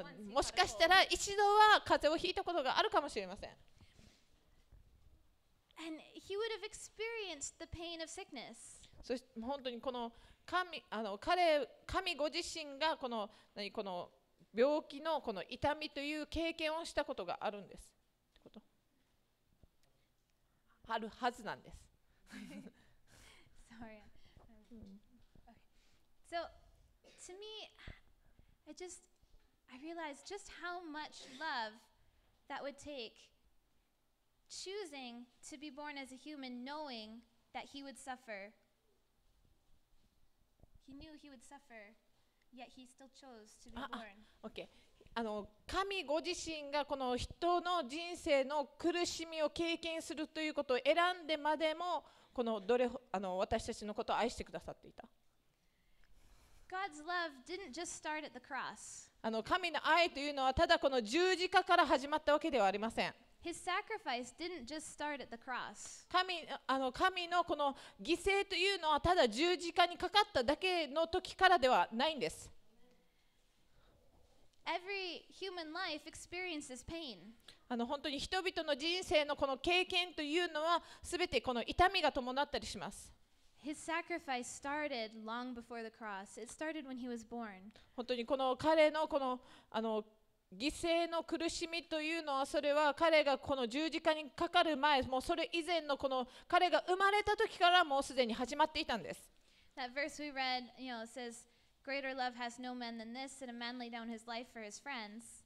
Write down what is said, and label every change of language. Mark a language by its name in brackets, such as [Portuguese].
[Japanese] もしかしたら一度は風邪をひいたことがあるかもしれません。 [English] And he would have experienced the pain of sickness. [Japanese] そして本当にこの神ご自身がこの病気のこの痛みという経験をしたことがあるんです。ってこと？あるはずなんです。 [English] Sorry. Okay. So, to me. I realized just how much love that would take choosing to be born as a human knowing that he would suffer. He knew he would suffer, yet he still chose to be born. Okay. [Japanese] 神ご自身がこの人の人生の苦しみを経験するということを選んでまでもこのどれ私たちのことを愛してくださっていた。 [English] God's love didn't just start at the cross. [Japanese] 神の愛というのはただこの十字架から始まったわけではありません。 [English] His sacrifice didn't just start at the cross. [Japanese] 神のこの犠牲というのはただ十字架にかかっただけの時からではないんです。 [English] Every human life experiences pain. [Japanese] 本当に人々の人生のこの経験というのは全てこの痛みが伴ったりします。 [English] His sacrifice started long before the cross. It started when he was born. [Japanese] 本当にこの彼のこの犠牲の苦しみというのは、それは彼がこの十字架にかかる前、もうそれ以前のこの彼が生まれた時からもうすでに始まっていたんです。 [English] That verse we read, you know, says, "Greater love has no man than this, that a man lay down his life for his friends."